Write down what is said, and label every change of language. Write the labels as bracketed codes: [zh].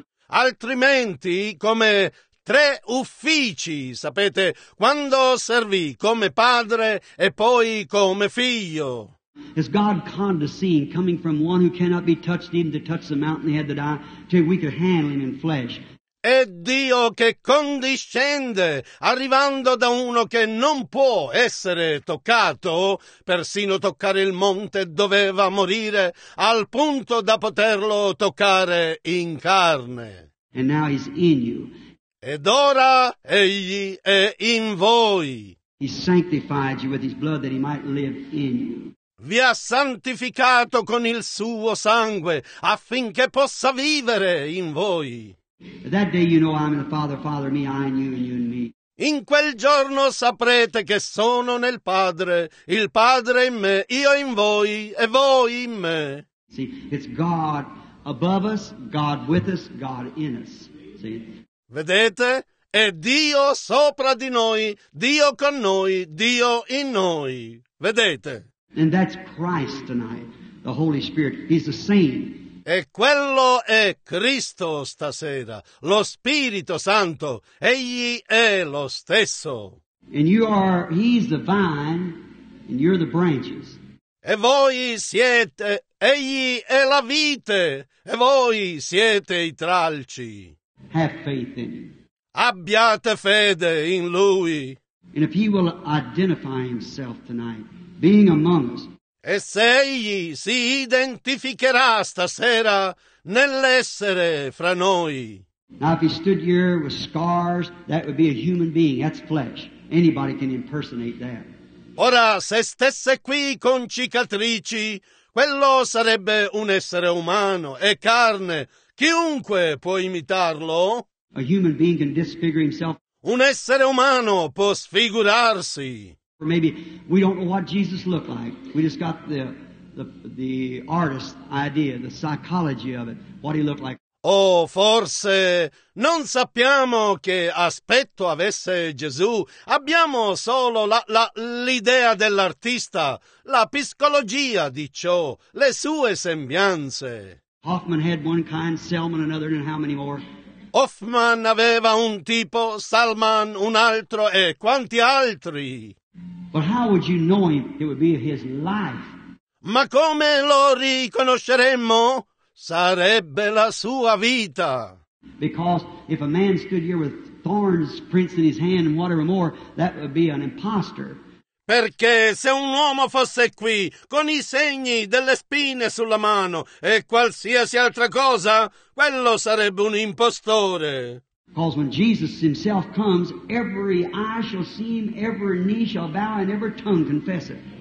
[it] Altrimenti, come tre uffici, sapete, quando servì come padre e poi come figlio. [en] Is God condescending, coming from one who cannot be touched even to touch the mountain, he had to die, till we could handle him in flesh? [it] È Dio che condiscende, arrivando da uno che non può essere toccato, persino toccare il monte doveva morire, al punto da poterlo toccare in carne. [en] And now he's in you. [it] Ed ora egli è in voi. [en] He sanctified you with his blood that he might live in you. [it] Vi ha santificato con il suo sangue affinché possa vivere in voi. [en] That day you know I'm in the Father, Father me, I in you, and you in me. [it] In quel giorno saprete che sono nel Padre, il Padre in me, io in voi e voi in me. [en] See, it's God above us, God with us, God in us. See? [it] Vedete? È Dio sopra di noi, Dio con noi, Dio in noi. Vedete? [en] And that's Christ tonight, the Holy Spirit. He's the same. [it] E quello è Cristo stasera, lo Spirito Santo. Egli è lo stesso. [en] And you are, he's the vine, and you're the branches. [it] E voi siete, egli è la vite, e voi siete i tralci. [en] Have faith in him. [it] Abbiate fede in lui. [en] And if he will identify himself tonight, being among us. [it] E se egli si identificherà stasera nell'essere fra noi. [en] Now if he stood here with scars, that would be a human being. That's flesh. Anybody can impersonate that. [it] Ora, se stesse qui con cicatrici, quello sarebbe un essere umano, è carne. Chiunque può imitarlo. [en] A human being can disfigure himself. [it] Un essere umano può sfigurarsi. [en] Or maybe we don't know what Jesus looked like. We just got the artist's idea, the psychology of it, what he looked like. [it] O forse non sappiamo che aspetto avesse Gesù, abbiamo solo l'idea dell'artista, la psicologia di ciò, le sue sembianze. [en] Hoffman had one kind, Selman another, and how many more? [it] Hoffman aveva un tipo, Salman un altro, e quanti altri? [en] But how would you know him? It would be his life. [it] Ma come lo riconosceremmo? Sarebbe la sua vita. [en] Because if a man stood here with thorns prints in his hand and whatever more, that would be an impostor. [it] Perché se un uomo fosse qui con i segni delle spine sulla mano e qualsiasi altra cosa, quello sarebbe un impostore. [en] Because when Jesus himself comes, every eye shall see him, every knee shall bow, and every tongue confess it.